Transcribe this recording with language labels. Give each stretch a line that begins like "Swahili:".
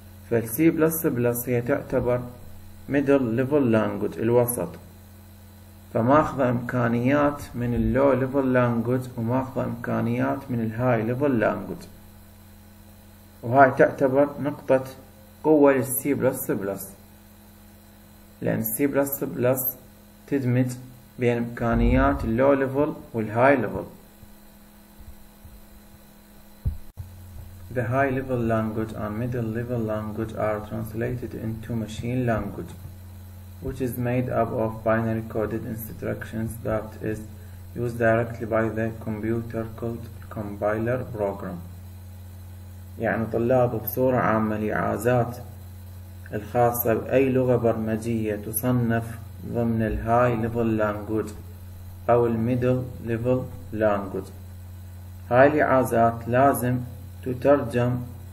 Arabic: فالسي بلس بلس هي تعتبر ميدل ليفل لانجوج الوسط، فماخذة إمكانيات من اللو ليفل لانجوج وماخذة إمكانيات من الهاي ليفل لانجوج، وهاي تعتبر نقطة قوة للسي بلس بلس، لأن السي بلس بلس تدمج بين إمكانيات اللو ليفل والهاي ليفل.
English: The high level language and middle level language are translated into machine language, which is made up of binary coded instructions that is used directly by the computer called compiler program.
Arabic: يعني طلاب بصورة عامة الإعازات الخاصة بأي لغة برمجية تصنف ضمن الـ high level language أو الـ middle level language. هاي الإعازات لازم تترجم